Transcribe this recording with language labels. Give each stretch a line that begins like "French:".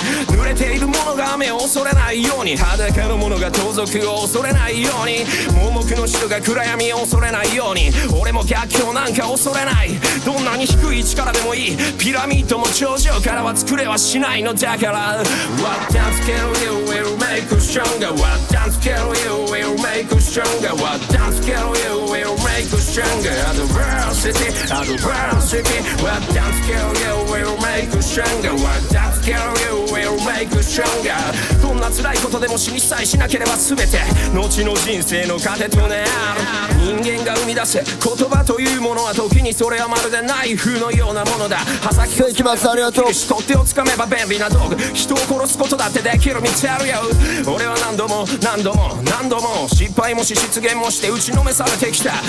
Japanese: 濡れているものが雨を恐れないように、裸のものが盗賊を恐れないように、盲目の人が暗闇を恐れないように、俺も逆境なんか恐れない。どんなに低い位置からでもいい、ピラミッドも頂上からは作れはしないのだから。
English: What can't kill you will make you stronger. What can't kill you will make you stronger. What can't kill you will make you stronger. Adversity, adversity. What can't kill you will make you stronger. What can't kill you will make you stronger.
Japanese: どんな辛いことでも死にさえしなければ全て後の人生の糧となる。人間が生み出す言葉というものは、時にそれはまるでナイフのようなものだ。刃先をつかめば切るし、取っ手をつかめば便利な道具。人を殺すことだってできる道あるよ。俺は何度も何度も何度も失敗もし失言もして打ちのめされてきた。